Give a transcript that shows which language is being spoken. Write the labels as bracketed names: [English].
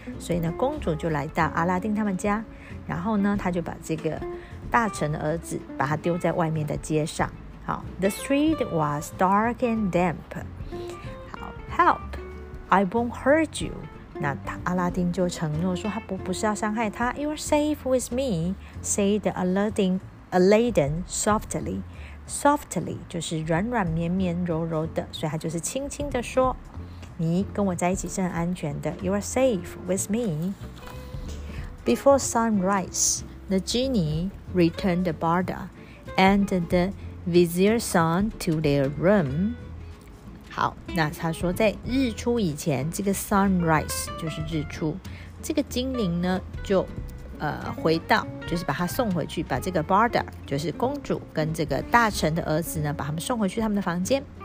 [Chinese] 所以呢，公主就来到阿拉丁他们家，然后呢，她就把这个。大臣的儿子把他丢在外面的街上。好 [English] ，The street was dark and damp. 好 ，Help! I won't hurt you. [Chinese] 那阿拉丁就承诺说他不是要伤害他。 [English] You are safe with me, said Aladdin softly. [Chinese] Softly 就是软软绵绵、柔柔的，所以他就是轻轻的说，你跟我在一起是很安全的。 [English] You are safe with me. Before sunrise. The genie returned the Barda and the vizier's son to their room. [Chinese] 好，那他说在日出以前，这个 sunrise 就是日出，这个精灵呢就回到，就是把他送回去，把这个 Barda 就是公主跟这个大臣的儿子呢，把他们送回去他们的房间。